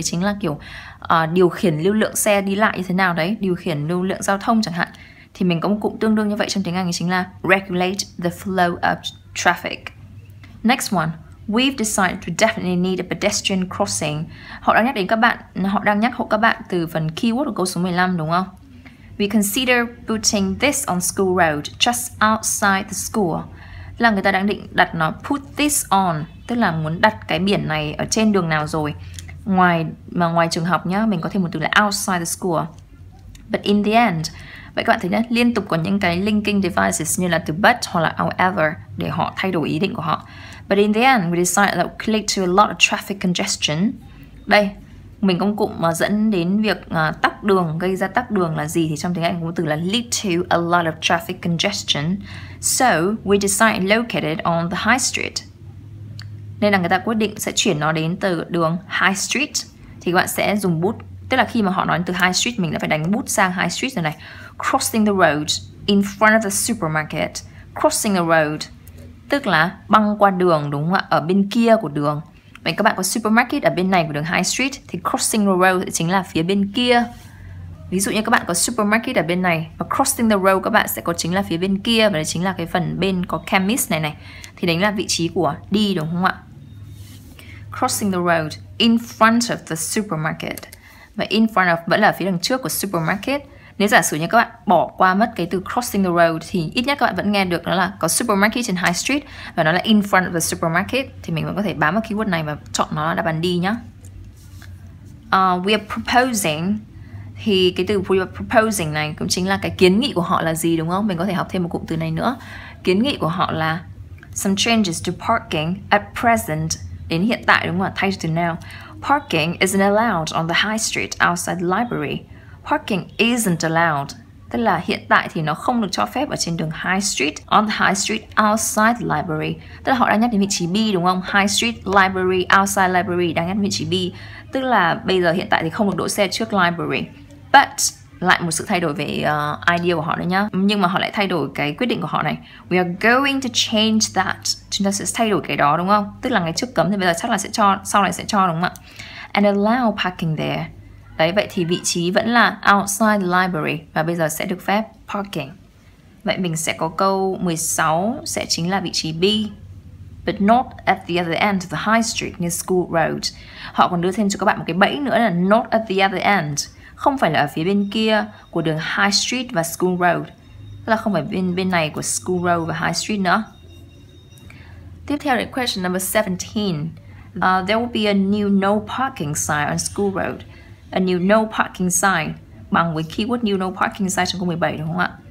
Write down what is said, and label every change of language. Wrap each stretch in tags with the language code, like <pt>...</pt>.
<vi>Đấy chính là kiểu điều khiển lưu lượng xe đi lại như thế nào đấy, điều khiển lưu lượng giao thông chẳng hạn. Thì mình có một cụm tương đương như vậy trong tiếng Anh, chính là</vi> <en>regulate the flow of traffic. Next one, we've decided to definitely need a pedestrian crossing.</en> <vi>Họ đang nhắc đến các bạn, họ đang nhắc hộ các bạn từ phần keyword của câu số 15, đúng không?</vi> <en>We consider putting this on school road, just outside the school.</en> <vi>Là người ta đang định đặt nó, put this on, tức là muốn đặt cái biển này ở trên đường nào rồi. Ngoài trường học nhá, mình có thêm một từ là outside the school. But in the end, vậy các bạn thấy nhá, liên tục có những cái linking devices như là từ but hoặc là however để họ thay đổi ý định của họ.</vi> <en>But in the end, we decide that we'll lead to a lot of traffic congestion.</en> <vi>Đây, mình công cụ mà dẫn đến việc tắc đường, gây ra tắc đường là gì thì trong tiếng Anh có từ là</vi> <en>lead to a lot of traffic congestion. So we decide located on the high street.</en> <vi>Nên là người ta quyết định sẽ chuyển nó đến từ đường high street. Thì các bạn sẽ dùng bút, tức là khi mà họ nói từ high street mình đã phải đánh bút sang high street rồi này.</vi> <en>Crossing the road in front of the supermarket. Crossing the road.</en> <vi>tức là băng qua đường, đúng không ạ? Ở bên kia của đường. Vậy các bạn có supermarket ở bên này của đường High Street thì crossing the road chính là phía bên kia. Ví dụ như các bạn có supermarket ở bên này và crossing the road các bạn sẽ có chính là phía bên kia, và đấy chính là cái phần bên có chemist này này, thì đấy là vị trí của đi, đúng không ạ?</vi> <en>Crossing the road in front of the supermarket.</en> <vi>Và in front of vẫn là phía đằng trước của supermarket. Nếu giả sử như các bạn bỏ qua mất cái từ crossing the road thì ít nhất các bạn vẫn nghe được nó là có supermarket trên High Street và nó là in front of the supermarket, thì mình vẫn có thể bám vào keyword này và chọn nó là đáp án đi nhá.</vi> <en>We are proposing,</en> <vi>thì cái từ we are proposing này cũng chính là cái kiến nghị của họ là gì, đúng không? Mình có thể học thêm một cụm từ này nữa. Kiến nghị của họ là</vi> <en>some changes to parking at present,</en> <vi>đến hiện tại, đúng không ạ? Thay cho từ now.</vi> <en>Parking isn't allowed on the High Street outside the library.</en> <vi>Parking isn't allowed, tức là hiện tại thì nó không được cho phép ở trên đường High Street,</vi> <en>on the High Street outside the library.</en> <vi>Tức là họ đang nhắc đến vị trí B, đúng không? High Street, library, outside library, đang nhắc đến vị trí B. Tức là bây giờ hiện tại thì không được đỗ xe trước library. But, lại một sự thay đổi về idea của họ đấy nhá. Nhưng mà họ lại thay đổi cái quyết định của họ này.</vi> <en>We are going to change that.</en> <vi>Chúng ta sẽ thay đổi cái đó, đúng không? Tức là ngày trước cấm thì bây giờ chắc là sẽ cho, sau này sẽ cho, đúng không ạ?</vi> <en>And allow parking there.</en> <vi>Đấy, vậy thì vị trí vẫn là outside the library và bây giờ sẽ được phép parking. Vậy mình sẽ có câu 16 sẽ chính là vị trí B.</vi> <en>But not at the other end of the High Street near School Road.</en> <vi>Họ còn đưa thêm cho các bạn một cái bẫy nữa là</vi> <en>not at the other end.</en> <vi>Không phải là ở phía bên kia của đường High Street và School Road. Tức là không phải bên này của School Road và High Street nữa. Tiếp theo là question number 17.</vi> <en>There will be a new no parking sign on School Road. A new no parking sign</en> <vi>bằng với keyword</vi> <en>new no parking sign</en> <vi>trong câu 17, đúng không ạ?</vi>